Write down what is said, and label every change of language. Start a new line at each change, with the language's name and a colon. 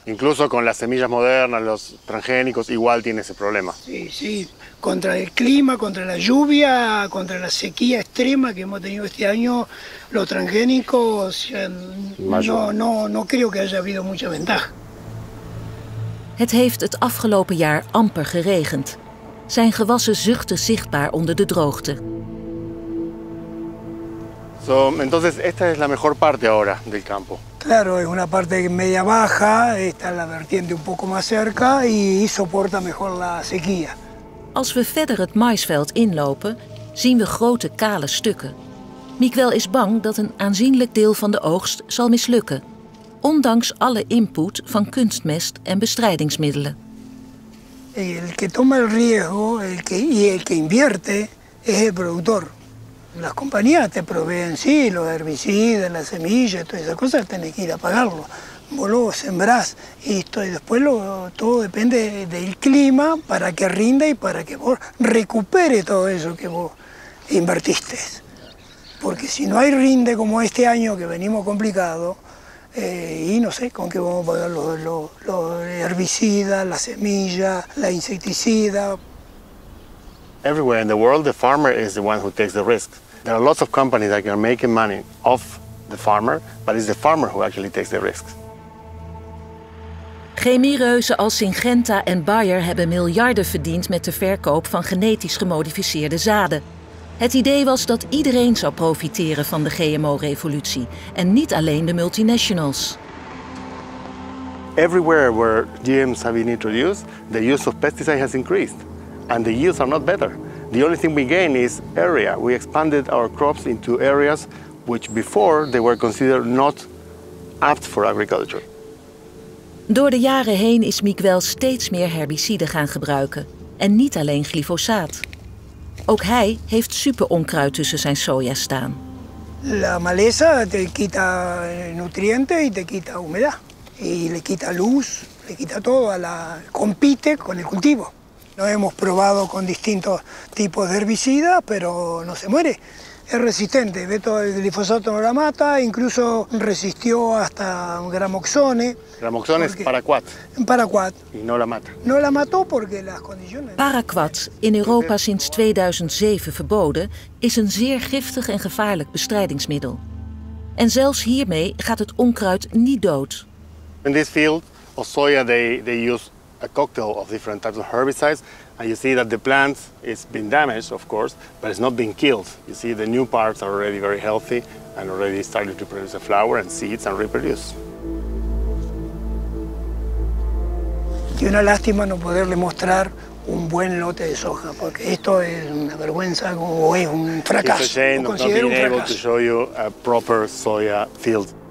Spanish: Incluso con las semillas modernas, los transgénicos, igual tiene ese problema. Sí, sí. Contra el clima, contra la lluvia, contra la sequía extrema que hemos tenido este año, los transgénicos, no creo que haya habido mucha ventaja.
Dutch: Het heeft het afgelopen jaar amper geregend. Zijn gewassen zuchten zichtbaar onder de droogte.
Spanish: So, entonces esta es la mejor parte ahora del campo. Claro, es una parte media baja, esta es la vertiente un poco más cerca y soporta mejor la sequía.
Dutch: Als we verder het maïsveld inlopen, zien we grote kale stukken. Miguel is bang dat een aanzienlijk deel van de oogst zal mislukken. Ondanks alle input van kunstmest en bestrijdingsmiddelen.
Spanish: El que toma el riesgo y el que invierte es el productor. Las compañías te proveen sí, los herbicidas, las semillas, todas esas cosas, tenés que ir a pagarlo. Vos lo sembrás y después todo depende del clima para que rinda y para que vos recupere todo eso que vos invertiste. Porque si no hay rinde como este año que venimos complicado, y no sé con qué vamos a pagar los herbicidas, la semilla, la insecticida.
English: Everywhere in the world, the farmer is the one who takes the risk. There are lots of companies that are making money off the farmer, but it's the farmer who actually takes the risks.
Dutch: Chemiereuzen als Syngenta en Bayer hebben miljarden verdiend met de verkoop van genetisch gemodificeerde zaden. Het idee was dat iedereen zou profiteren van de GMO-revolutie en niet alleen de multinationals.
English: Everywhere where GMs have been introduced, the use of pesticides has increased. And the yields are not better. The only thing we gain is area. We expanded our crops into areas which before they were considered not apt for agriculture.
Dutch: Door de jaren heen is Miguel steeds meer herbiciden gaan gebruiken. En niet alleen glyfosaat. Ook hij heeft super onkruid tussen zijn soja staan.
Spanish: La maleza te quita nutriente y te quita humedad. Y le quita luz, le quita todo, compite con el cultivo. No hemos probado con distintos tipos de herbicidas, pero no se muere. Es resistente, ve todo el glifosato no la mata, incluso resistió hasta gramoxone. Gramoxone es paraquat. Paraquat. Y no la mata. No la mató porque las condiciones.
Dutch: Paraquat, in Europa sinds 2007 verboden, is een zeer giftig en gevaarlijk bestrijdingsmiddel. En zelfs hiermee gaat het onkruid niet dood.
English: In this field of soya, they use a cocktail of different types of herbicides, and you see that the plant is being damaged, of course, but it's not being killed. You see the new parts are already very healthy and already started to produce a flower and seeds and reproduce.
Spanish: Y una lástima no poderle mostrar un buen lote de soja, porque esto es una vergüenza o es un fracaso.
English: It's a shame of not being able to show you a proper soya field.